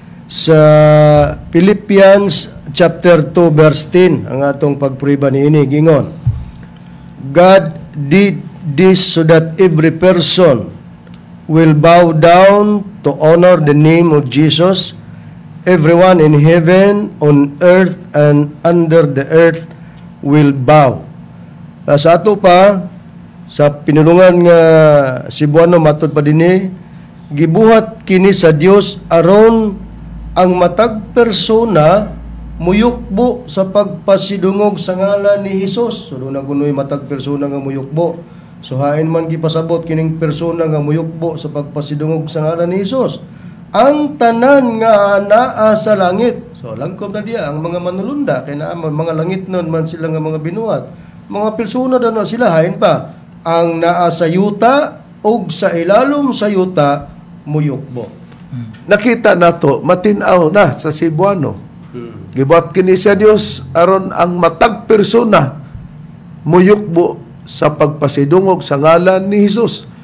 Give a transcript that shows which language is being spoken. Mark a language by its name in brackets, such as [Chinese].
[English] Sa Philippians chapter 2 verse 10, ang atong pagpriba ni ini, gingon, God did this so that every person will bow down to honor the name of Jesus, everyone in heaven, on earth, and under the earth will bow. [Cebuano] Sa ato pa, sa pinulungan nga Cebuano, matod pa din eh, gibuhat kini sa Dios aron ang matag persona muyukbo sa pagpasidungog sa ngalan ni Jesus. So doon na kunoy matag persona nga muyukbo. So hain man gipasabot kining persona nga muyukbo sa pagpasidungog sa ngalan ni Jesus. Ang tanan nga anaa sa langit. So langkom na diya ang mga manulunda, kinaaman mga langit nun man sila nga mga binuhat. Mga persona doon na sila, hain pa, ang naa sa yuta og sa ilalom sa yuta muyukbo. Nakita nato matinaw na sa Cebuano. Gibuhat kini sa Dios aron ang matag persona muyukbo sa pagpasidungog sa ngalan ni Jesus.